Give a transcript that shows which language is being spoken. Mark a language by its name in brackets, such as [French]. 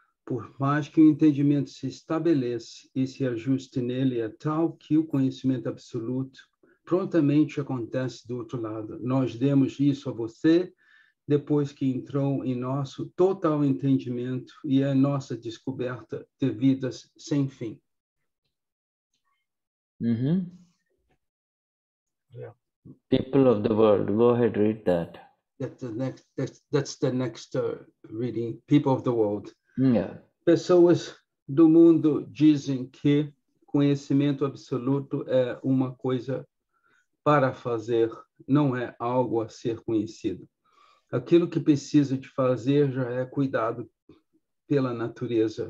[Portuguese] Por mais que o entendimento se estabeleça e se ajuste nele, é tal que o conhecimento absoluto prontamente acontece do outro lado. Nós demos isso a você depois que entrou em nosso total entendimento e é nossa descoberta de vidas sem fim. Mm-hmm. [English] Yeah. People of the world, go ahead, read that. That's the next reading. People of the world. Yeah. [Portuguese] Pessoas do mundo dizem que conhecimento absoluto é uma coisa para fazer não é algo a ser conhecido. Aquilo que preciso de fazer já é cuidado pela natureza.